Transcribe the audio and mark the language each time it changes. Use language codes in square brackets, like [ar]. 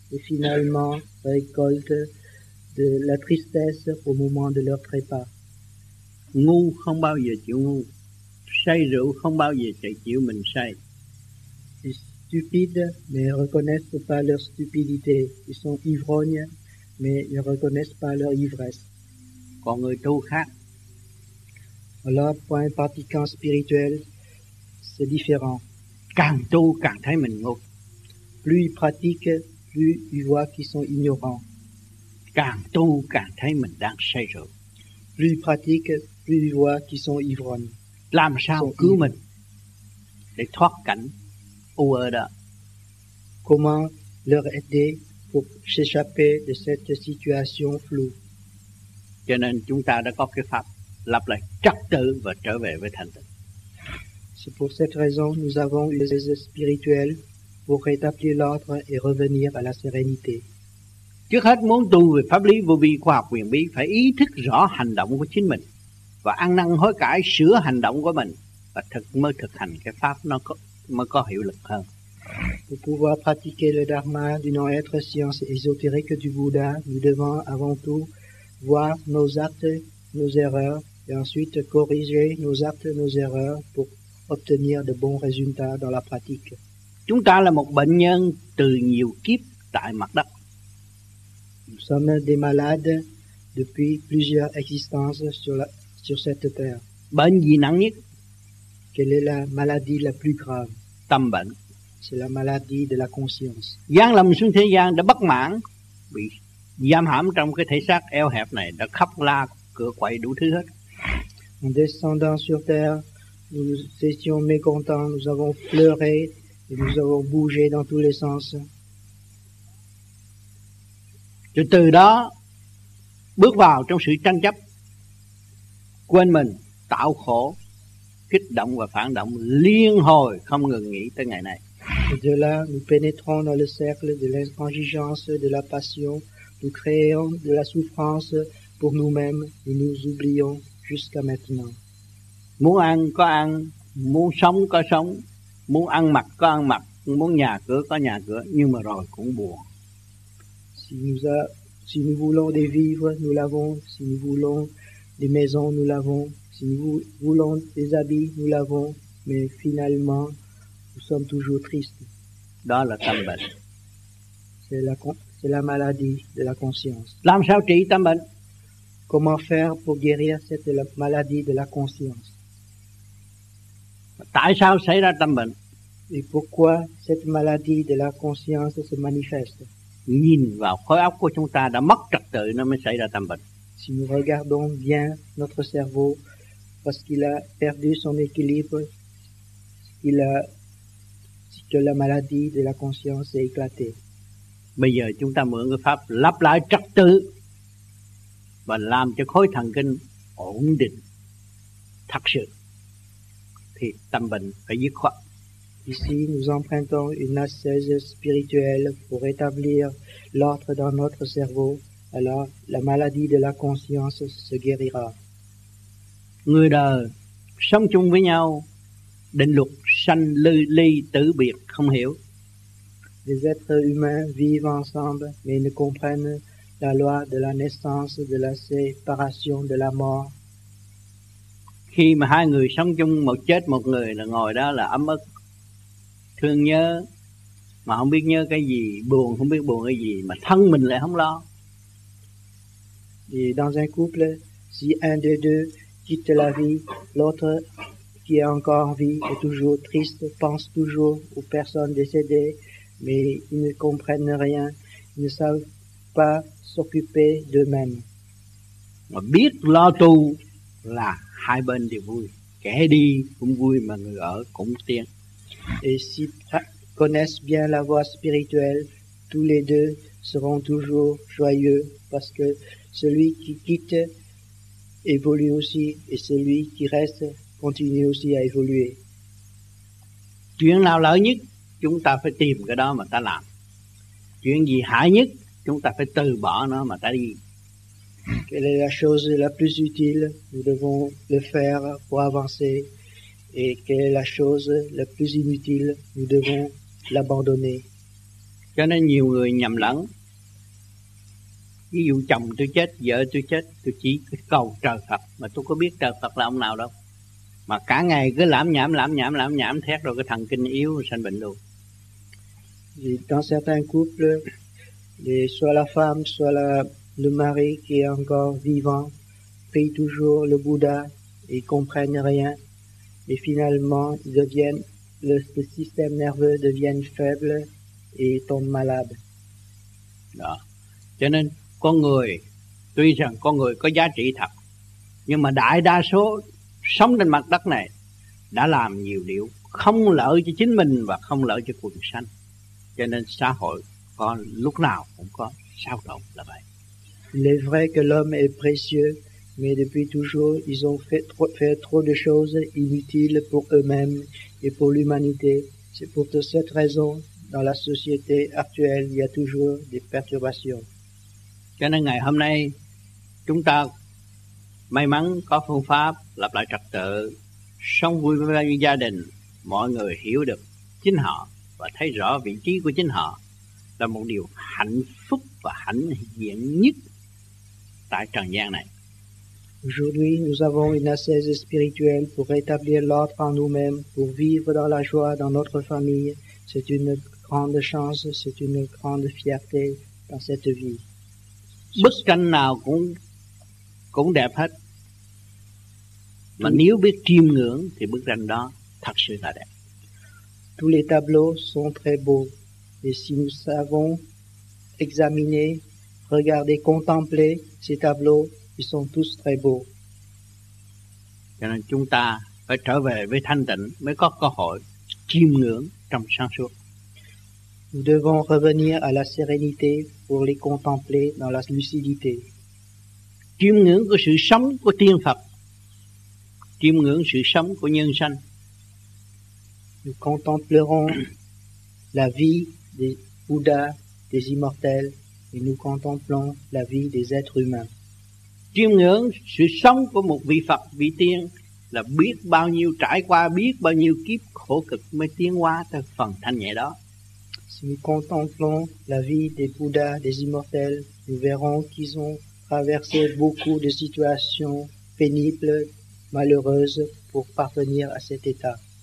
[fr] Et finalement récolte de la tristesse au moment de leur trépas. [vi] Ngu không bao giờ chịu ngu, say rượu không bao giờ chịu mình say. [fr] Ils sont stupides, mais ne reconnaissent pas leur stupidité. Ils sont ivrognes, mais ne reconnaissent pas leur ivresse. [vi] Còn người tu khác. [fr] Alors, pour un pratiquant spirituel, c'est différent. [vi] Càng tu càng thấy mình ngu. [fr] Plus ils pratiquent, plus ils voient qu'ils sont ignorants. [vi] Càng tu càng thấy mình đang say rượu. [fr] Plus ils pratiquent, plus ils voient qu'ils sont ivrognes. [vi] Làm sao cứu mình để thoát cảnh u ơ đó? [fr] Comment leur aider pour s'échapper de cette situation floue? [vi] Cho nên chúng ta đã có cái pháp lập lại trật tự và trở về với thanh tịnh. [fr] C'est pour cette raison nous avons les aides spirituelles pour rétablir l'ordre et revenir à la sérénité. [vi] Trước hết muốn tu về pháp lý vô vi khoa học quyền bí phải ý thức rõ hành động của chính mình và ăn năn hối cải sửa hành động của mình và thực mới thực hành cái pháp nó có, mới có hiệu lực hơn. [fr] Pour pouvoir pratiquer le dharma du non-être science ésotérique du Bouddha, nous devons avant tout voir nos actes, nos erreurs et ensuite corriger nos actes, nos erreurs pour obtenir de bons résultats dans la pratique. [vi] Chúng ta là một bệnh nhân từ nhiều kiếp tại mặt đất. [fr] Nous sommes des malades depuis plusieurs existences sur cette terre. [vi] Bệnh gì nặng nhất? [fr] Quelle est la maladie la plus grave? [vi] Tâm bệnh. [fr] C'est la maladie de la conscience. [vi] Gian lầm xuống thế gian đã bất mãn, bị giam hãm trong cái thể xác eo hẹp này, đã khóc la cửa quậy đủ thứ hết. [fr] En descendant sur terre, nous étions mécontents, nous avons pleuré et nous avons bougé dans tous les sens. [vi] Rồi từ đó bước vào trong sự tranh chấp, quên mình, tạo khổ, kích động và phản động liên hồi không ngừng nghỉ tới ngày này. [fr] Et de là, nous pénétrons dans le cercle de l'intransigeance, de la passion, nous créons de la souffrance pour nous-mêmes et nous oublions jusqu'à maintenant. [vi] Muốn ăn có ăn, muốn sống có sống, muốn ăn mặc có ăn mặc, muốn nhà cửa có nhà cửa, nhưng mà rồi cũng buồn. [fr] Si nous voulons des vivres, nous l'avons. Si nous voulons des maisons, nous l'avons. Si nous voulons des habits, nous l'avons. Mais finalement, nous sommes toujours tristes. [vi] Đó là tâm bệnh. [fr] C'est la maladie de la conscience. [vi] Làm sao trị tâm bệnh? [fr] Comment faire pour guérir cette maladie de la conscience? [vi] Tại sao xảy ra tâm bệnh? [fr] Et pourquoi cette maladie de la conscience se manifeste? [vi] Nhìn vào khối óc của chúng ta đã mất trật tự nó mới xảy ra tâm bệnh. [fr] Si nous regardons bien notre cerveau, parce qu'il a perdu son équilibre, que la maladie de la conscience est éclatée. [vi] Bây giờ chúng ta mượn cái pháp lắp lại trật tự và làm cho khối thần kinh ổn định thật sự thì tâm bệnh phải dứt khoát. [fr] Ici, nous empruntons une ascèse spirituelle pour rétablir l'ordre dans notre cerveau. Alors, la maladie de la conscience se guérira. [vi] Người đời sống chung với nhau, định luật sanh ly tử biệt không hiểu. [fr] Les êtres humains vivent ensemble, mais ils ne comprennent la loi de la naissance, de la séparation, de la mort. [vi] Khi mà hai người sống chung, một chết một người là ngồi đó là ấm ức. Thương nhớ mà không biết nhớ cái gì, buồn không biết buồn cái gì, mà thân mình lại không lo. [fr] Et dans un couple, si un des deux quitte la vie, l'autre qui est encore en vie est toujours triste, pense toujours aux personnes décédées, mais ils ne comprennent rien, ils ne savent pas s'occuper d'eux-mêmes. [vi] Mà biết lo tu là hai bên đều vui, kẻ đi cũng vui mà người ở cũng tiếng. [fr] Et s'ils connaissent bien la voie spirituelle, tous les deux seront toujours joyeux parce que celui qui quitte évolue aussi et celui qui reste continue aussi à évoluer. [vi] Chuyện nào lợi nhất, chúng ta phải tìm cái đó mà ta làm. Chuyện gì hại nhất, chúng ta phải từ bỏ nó mà ta đi. [fr] Quelle est la chose la plus utile, nous devons le faire pour avancer. Et quelle est la chose la plus inutile, nous devons l'abandonner. [vi] Cho nên nhiều người nhầm lẫn. Ví dụ chồng tôi chết, vợ tôi chết, tôi chỉ cầu trời Phật, mà tôi có biết trời Phật là ông nào đâu. Mà cả ngày cứ lãm nhảm thét rồi cái thần kinh yếu, sanh bệnh luôn. [fr] Dans certains couples, soit la femme, soit le mari qui est encore vivant, prie toujours le Bouddha et comprennent rien. Et finalement, le système nerveux devient faible et tombe malade. [vi] Đó. Cho nên, con người, tuy rằng con người có giá trị thật, nhưng mà đại đa số sống trên mặt đất này đã làm nhiều điều không lợi cho chính mình và không lợi cho quần sanh. Cho nên xã hội có lúc nào cũng có sao động là vậy. [fr] Il est vrai que l'homme est précieux. Mais depuis toujours, ils ont fait trop de choses inutiles pour eux-mêmes et pour l'humanité. C'est pour cette raison, dans la société actuelle, il y a toujours des perturbations. [vi] Cho nên ngày hôm nay chúng ta may mắn có phương pháp lập lại trật tự, sống vui với gia đình, mọi người hiểu được chính họ và thấy rõ vị trí của chính họ là một điều hạnh phúc và hạnh diện nhất tại trần gian này. [fr] Aujourd'hui, nous avons une assise spirituelle pour rétablir l'ordre en nous-mêmes, pour vivre dans la joie dans notre famille. C'est une grande chance, c'est une grande fierté dans cette vie. [vi] Bức tranh nào cũng đẹp hết. Mà nếu biết chiêm ngưỡng thì bức tranh đó thật sự là đẹp. [fr] Tous les tableaux sont très beaux. Et si nous savons examiner, regarder, contempler ces tableaux, ils sont tous très beaux. [vi] Cho nên chúng ta phải trở về với thanh tịnh mới có cơ hội chiêm ngưỡng trong sáng suốt. [fr] Nous devons revenir à la sérénité pour les contempler dans la lucidité. [vi] Chiêm ngưỡng của sự sống của tiên Phật, chiêm ngưỡng sự sống của nhân sanh. [fr] Nous contemplerons la vie des Bouddhas, des immortels, et nous contemplons la vie des êtres humains. [vi] Chiêm ngưỡng sự sống của một vị Phật, vị tiên là biết bao nhiêu trải qua, biết bao nhiêu kiếp khổ cực mới tiến qua tới phần thanh nhẹ đó. [fr] Si nous contemplons la vie des Bouddhas, des immortels, nous verrons qu'ils ont traversé beaucoup de situations pénibles, malheureuses pour parvenir à cet état.